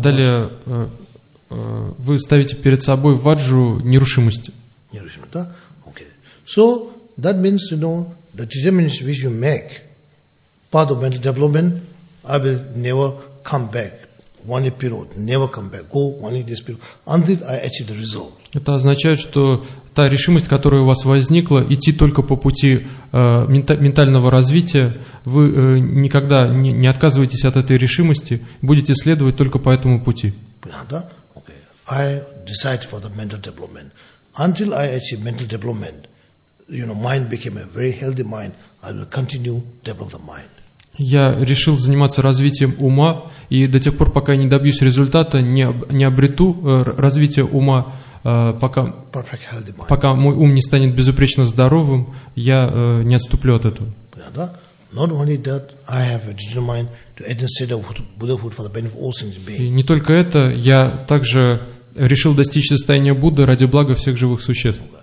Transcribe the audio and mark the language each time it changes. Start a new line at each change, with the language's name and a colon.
Russian: Далее вы ставите перед собой ваджу нерушимости. Нерушимость, да? Okay.
English: So that means, you know, the determination which you make, part of mental development, I will never come back one period, never come back, go one this period, until I achieve the result.
Russian: Это означает, что та решимость, которая у вас возникла, идти только по пути ментального развития, вы никогда не отказываетесь от этой решимости, будете следовать только по этому пути. Понятно, да?
English: Okay. I decide for the mental development. Until I achieve mental development, you know, mind became a very healthy mind, I will continue develop the mind.
Russian: Я решил заниматься развитием ума, и до тех пор, пока я не добьюсь результата, не обрету развитие ума, пока мой ум не станет безупречно здоровым, я не отступлю от этого. И не только это, я также решил достичь состояния Будды ради блага всех живых существ.